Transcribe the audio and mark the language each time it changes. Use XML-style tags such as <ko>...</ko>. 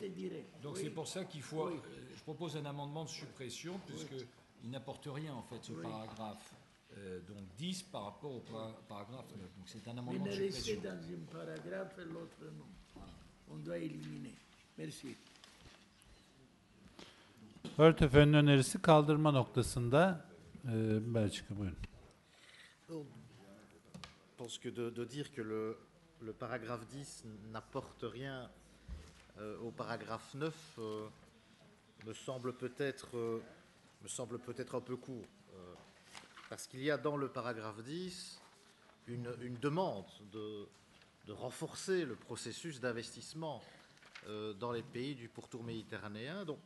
<fr>Et direct. Donc, oui. C'est pour ça qu'il faut. Oui. Je propose un amendement de suppression, puisqu'il oui. n'apporte rien, en fait, ce oui. paragraphe. Donc 10 par rapport au paragraphe. Donc c'est un amendement de suppression. Il est resté dans un paragraphe et l'autre non. Voilà. On doit éliminer. Merci.</fr> <tr>Örtefe'nin önerisi kaldırma noktasında. Belçika, buyurun.</tr> <fr>Parce que de dire que le paragraphe 10 n'apporte rien au paragraphe 9 me semble peut-être un peu court. Parce qu'il y a dans le paragraphe 10 une demande de renforcer le processus d'investissement dans les pays du pourtour méditerranéen.</fr>